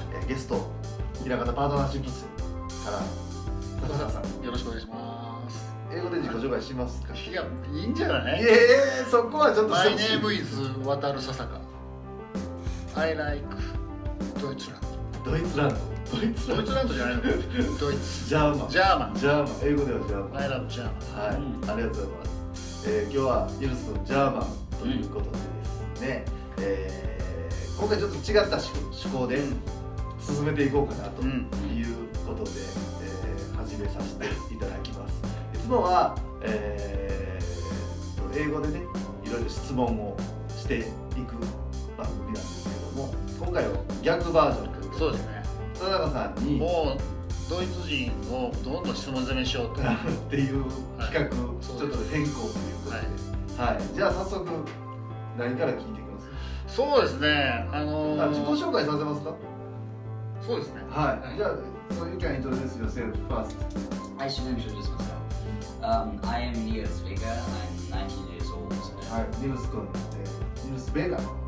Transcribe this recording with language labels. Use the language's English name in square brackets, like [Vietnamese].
[Japanese] ゲスト、平方パートナーシップスから高田さん、よろしくお願いします。英語で自己紹介しますか。いや、いいんじゃない。そこはちょっと。 [English] My name is 渡る笹香。 I like ドイツランド。 [Japanese] ドイツランド。ドイツランドじゃないの。ドイツ。ジャーマン。ジャーマン。ジャーマン。英語ではジャーマン。 [English] I love ジャーマン。 [Japanese] はい、うん、ありがとうございます。今日はイルスのジャーマンということでですね、今回ちょっと違った趣向で進めていこうかなということで、始めさせていただきます。いつもは、英語でね、いろいろ質問をしていく番組なんですけども、今回は逆バージョンということで、そうですね、田中さんにもうドイツ人をどんどん質問攻めしようとっていう企画、ちょっと変更ということで、はい、はい、じゃあ早速何から聞いていきますか。そうですね、自己紹介させますか。そうですね、はい、じゃあ、 [English] So you can introduce yourself first. I should introduce myself. I am Niels Vega, I'm 19 years old. [Japanese] はい、Niels 君、Niels Vega?